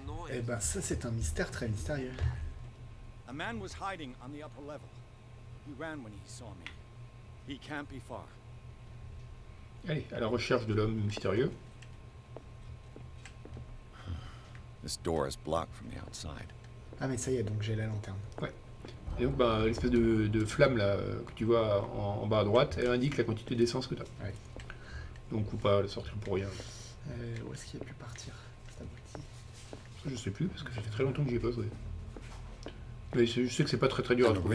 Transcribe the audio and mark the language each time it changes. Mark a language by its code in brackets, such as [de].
[fr] Eh ben ça c'est un mystère très mystérieux. [en] A man was hiding on the upper level. He ran when he saw me. He can't be far. [fr] Allez, à la recherche de l'homme mystérieux. [en] This door is blocked from the outside. [fr] Ah mais ça y est, donc j'ai la lanterne. Ouais. Et donc ben, l'espèce de flamme là que tu vois en bas à droite, elle indique la quantité d'essence que t'as. Ouais. Donc ou pas le sortir pour rien. Où est-ce qu'il a pu partir? Je sais plus, parce que ça fait très longtemps que j'y ai pas joué. Mais je sais que c'est pas très très dur à trouver.